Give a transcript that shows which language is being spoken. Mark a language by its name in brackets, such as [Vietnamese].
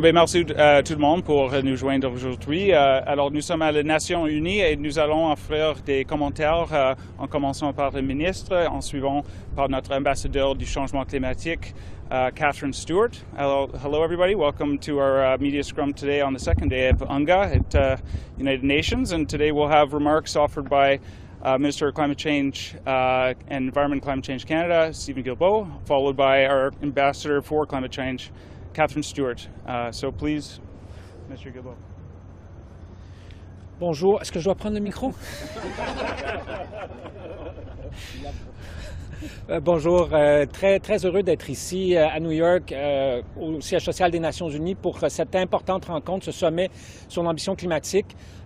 [French] Bien, merci tout le monde pour nous joindre aujourd'hui. Alors, nous sommes à la Nation Unie et nous allons offrir des commentaires en commençant par le ministre, en suivant par notre ambassadeur du changement climatique, Catherine Stewart. [English] Alors, hello everybody. Welcome to our media scrum today on the second day of UNGA at United Nations. And today we'll have remarks offered by Minister of Climate Change and Environment and Climate Change Canada, Stephen Guilbeault, followed by our ambassador for climate change, Catherine Stewart. So please, Mr. Guilbeault. [French] Bonjour, est-ce que je dois prendre le micro? Bonjour, très, très heureux d'être ici à New York, au siège social des Nations Unies pour cette importante rencontre, ce sommet sur l'ambition climatique.